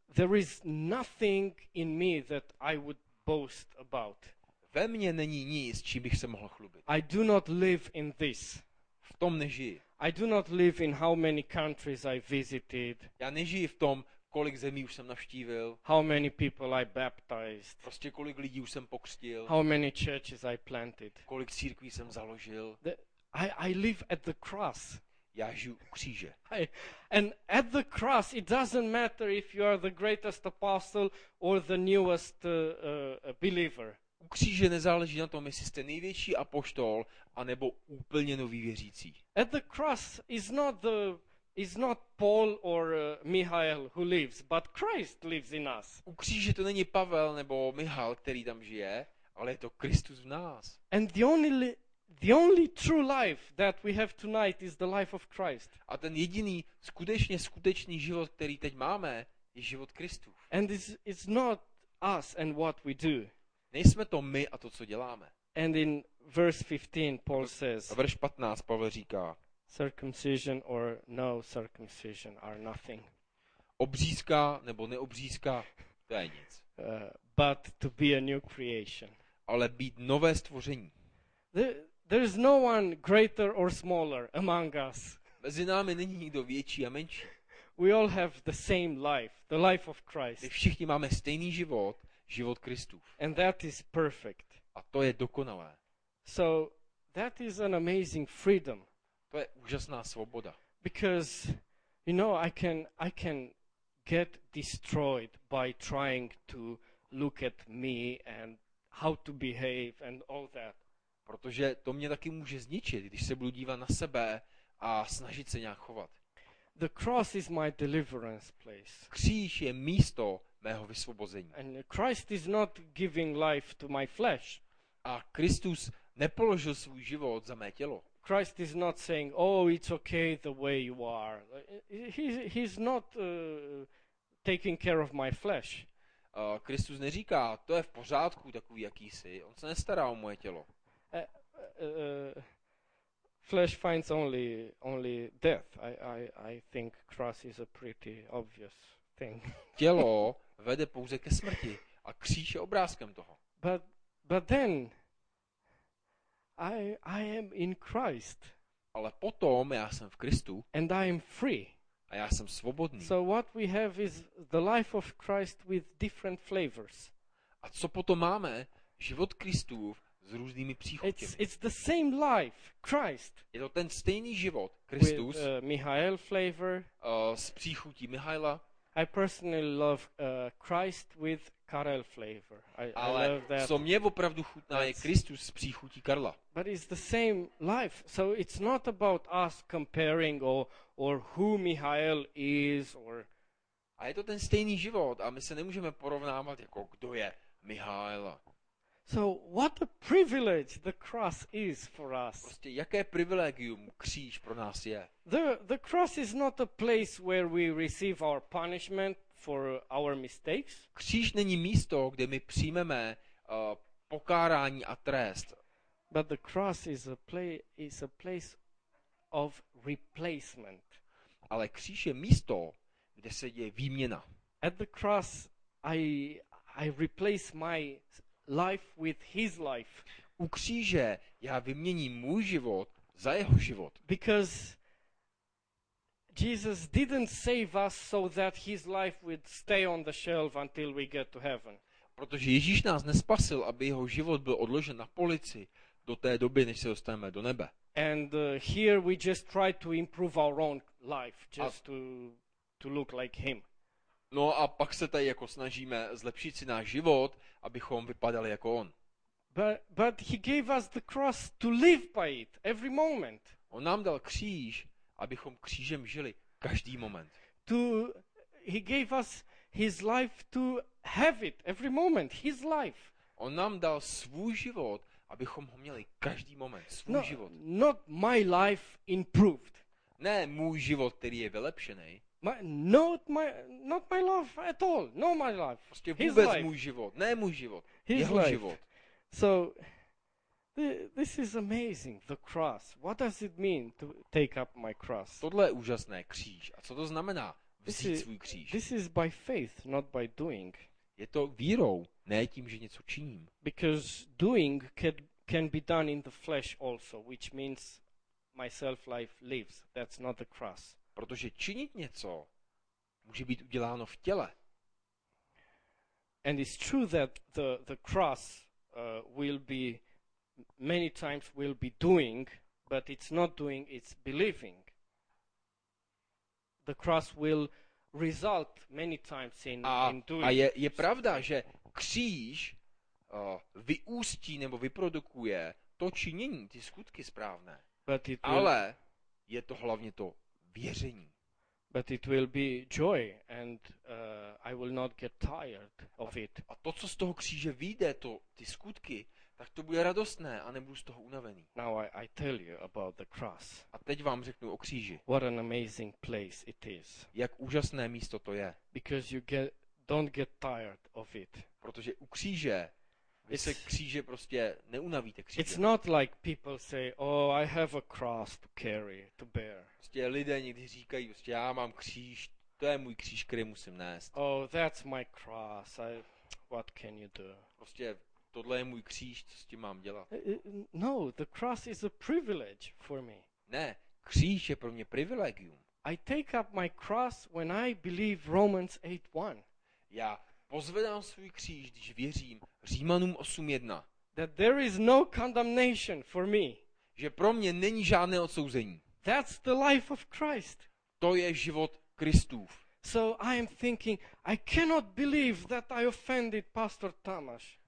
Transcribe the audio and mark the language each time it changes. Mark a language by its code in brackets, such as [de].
[en] There is nothing in me that I would boast about. [cs] Ve mně není nic, čím bych se mohl chlubit. [en] I do not live in this. [cs] V tom nežiji. [en] I do not live in how many countries I visited. [cs] Já nežiji v tom, kolik zemí už jsem navštívil. [en] How many people I baptized. [cs] Prostě kolik lidí už jsem pokřtil. [en] How many churches I planted. [cs] Kolik církví jsem založil. [en] I live at the cross. [cs] Já žiju u kříže. [en] And at the cross it doesn't matter if you are the greatest apostle or the newest believer. [cs] u kříže nezáleží na tom, jestli jste největší apoštol a nebo úplně nový věřící. [en] At the cross is not Paul or Michael who lives, but Christ lives in us. [cs] U kříže to není Pavel nebo Michal, který tam žije, ale je to Kristus v nás. [en] And the only true life that we have tonight is the life of Christ. [cs] A ten jediný skutečný život, který teď máme, je život Kristův. [en] And it's not us and what we do. [cs] Nejsme to my a to, co děláme. [en] And in verse 15 Paul says. [cs] A verš 15 Pavel říká. [en] Circumcision or no circumcision are nothing. [cs] Obřízka nebo neobřízka, to je nic. [en] But to be a new creation. [cs] Ale být nové stvoření. [en] There is no one greater or smaller among us. [cs] Mezi námi není nikdo větší a menší. [en] We all have the same life, the life of Christ. [cs] My všichni máme stejný život, život Kristův. [en] And that is perfect. [cs] A to je dokonalé. [en] So that is an amazing freedom. [cs] To je úžasná svoboda. [en] Because you know I can get destroyed by trying to look at me and how to behave and all that. [cs] Protože to mě taky může zničit, když se budu dívat na sebe a snažit se nějak chovat. [en] The cross is my deliverance place. [cs] Kříž je místo mého vysvobození. [en] And Christ is not giving life to my flesh. [cs] A Kristus nepoložil svůj život za mé tělo. [en] Christ is not saying, oh, it's okay the way you are. He's not taking care of my flesh. [cs] Kristus neříká, to je v pořádku takový, jaký jsi. On se nestará o moje tělo. [en] Flesh finds only death. I think cross is a pretty obvious thing. [cs] Tělo vede pouze ke smrti a kříž je obrázkem toho. [en] But then I am in Christ. [cs] Ale potom já jsem v Kristu. [en] And I am free. [cs] A já jsem svobodný. [en] So what we have is the life of Christ with different flavors. [cs] A co potom máme? Život Kristův s různými příchutěmi. [en] It's the same life, Christ. [cs] Je to ten stejný život, Kristus. [en] With Michael flavor. [cs] S příchutí Michaela. [en] I personally love Christ with Karel flavor. [cs] Ale co mě opravdu chutná, je Kristus s příchutí Karla. [en] But it's the same life. So it's not about us comparing or who Michael is or. [cs] A je to ten stejný život a my se nemůžeme porovnávat jako kdo je Michaela. [en] So what a privilege the cross is for us. [cs] Prostě jaké privilegium kříž pro nás je. [en] The cross is not a place where we receive our punishment for our mistakes. [cs] Kříž není místo, kde my přijmeme pokárání a trest. [en] But the cross is a place of replacement. [cs] Ale kříž je místo, kde se děje výměna. [en] At the cross I replace my life with his life. [cs] U kříže já vyměním můj život za jeho život. [en] Because Jesus didn't save us so that his life would stay on the shelf until we get to heaven. [cs] Protože Ježíš nás nespasil, aby jeho život byl odložen na polici do té doby, než se dostaneme do nebe. [en] And here we just try to improve our own life just to look like him. [cs] No a pak se tady jako snažíme zlepšit si náš život, abychom vypadali jako on. [en] But he gave us the cross to live by it every moment. [cs] On nám dal kříž, abychom křížem žili každý moment. [en] He gave us his life to have it every moment, his life. [cs] On nám dal svůj život, abychom ho měli každý moment, svůj no, život. [en] Not my life improved. [cs] Ne můj život, který je vylepšený. [en] Not my life at all. No my life. [cs] Prostě vůbec můj život. Ne můj život. [en] His [cs] jeho [en] life. [cs] Život. [en] So this is amazing. The cross. What does it mean to take up my cross? [cs] Tohle je úžasné, kříž. A co to znamená vzít svůj kříž? [en] This is by faith, not by doing. [cs] Je to vírou, ne tím, že něco činím. [en] Because doing can be done in the flesh also, which means my self life lives. That's not the cross. [cs] Protože činit něco může být uděláno v těle. [en] And it's true that the cross will be many times will be doing, but it's not doing, it's believing. The cross will result many times in doing. [cs] A je pravda, že kříž vyústí nebo vyprodukuje to činění, ty skutky správné. [en] But it [cs] ale je to hlavně to věření. [en] But it will be joy and I will not get tired of it. [cs] A to, co z toho kříže vyjde, to ty skutky, tak to bude radostné a nebudu z toho unavený. [en] Now I tell you about the cross. [cs] A teď vám řeknu o kříži. [en] What an amazing place it is. [cs] Jak úžasné místo to je. [en] Because you get, don't get tired of it. [cs] Protože u kříže vy se kříže prostě neunavíte kříže. [en] It's not like people say, oh, I have a cross to carry, to bear. [cs] Prostě lidé někdy říkají, prostě já mám kříž, to je můj kříž, který musím nést. [en] Oh, that's my cross, I, what can you do? [cs] Prostě tohle je můj kříž, co s tím mám dělat? [en] No, the cross is a privilege for me. [cs] Ne, kříž je pro mě privilegium. [en] I take up my cross when I believe Romans 8:1. [cs] Já pozvedám svůj kříž, když věřím Římanům 8:1. [en] That there is no condemnation for me. [cs] Že pro mě není žádné odsouzení. [en] That's the life of Christ. [cs] To je život Kristův. [en] So I am thinking, I cannot believe that I offended Pastor Tomáš.